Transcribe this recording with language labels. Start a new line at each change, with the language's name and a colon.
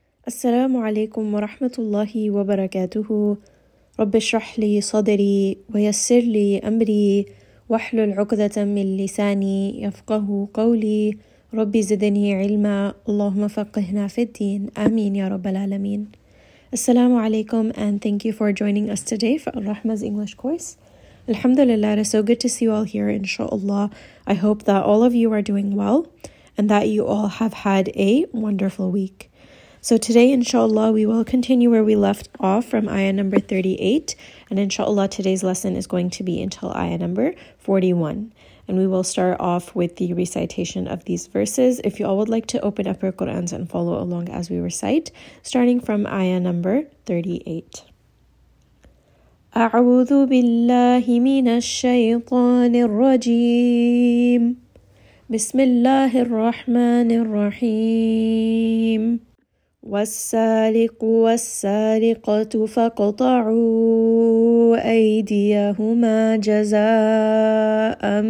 Arabic: السلام عليكم ورحمة الله وبركاته. رب اشرح لي صدري ويسر لي أمري واحلل عقدة من لساني يفقه قولي. رب زدني علما، اللهم فقهنا في الدين، آمين يا رب العالمين. السلام عليكم
English: and thank you for joining us today for Rahma's English course. Alhamdulillah, it is so good to see you all here, inshallah. I hope that all of you are doing well and that you all have had a wonderful week. So today, inshallah, we will continue where we left off from ayah number 38. And inshallah, today's lesson is going to be until ayah number 41. And we will start off with the recitation of these verses. If you all would like to open up your Qur'ans and follow along as we recite, starting from ayah number 38.
Arabic: أعوذ بالله من الشيطان الرجيم بسم الله الرحمن الرحيم والسارق والسارقة فاقطعوا أيديهما جزاء